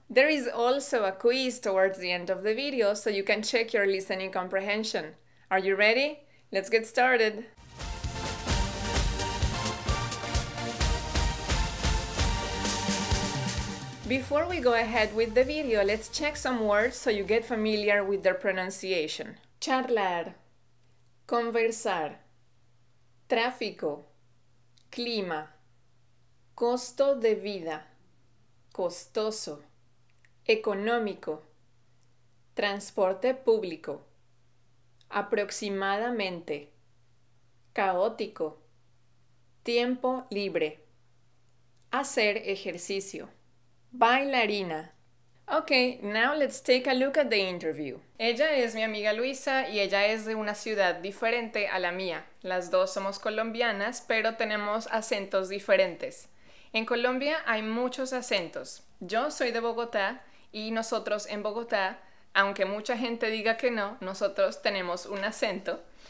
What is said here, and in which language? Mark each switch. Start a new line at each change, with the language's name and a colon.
English: There is also a quiz towards the end of the video, so you can check your listening comprehension. Are you ready? Let's get started! Before we go ahead with the video, let's check some words so you get familiar with their pronunciation.
Spanish: Charlar, conversar, tráfico, clima, costo de vida, costoso, económico, transporte público, aproximadamente, caótico, tiempo libre, hacer ejercicio. Bailarina.
English: Okay, now let's take a look at the interview.
Spanish: Ella es mi amiga Luisa y ella es de una ciudad diferente a la mía. Las dos somos colombianas, pero tenemos acentos diferentes. En Colombia hay muchos acentos. Yo soy de Bogotá y nosotros en Bogotá, aunque mucha gente diga que no, nosotros tenemos un acento.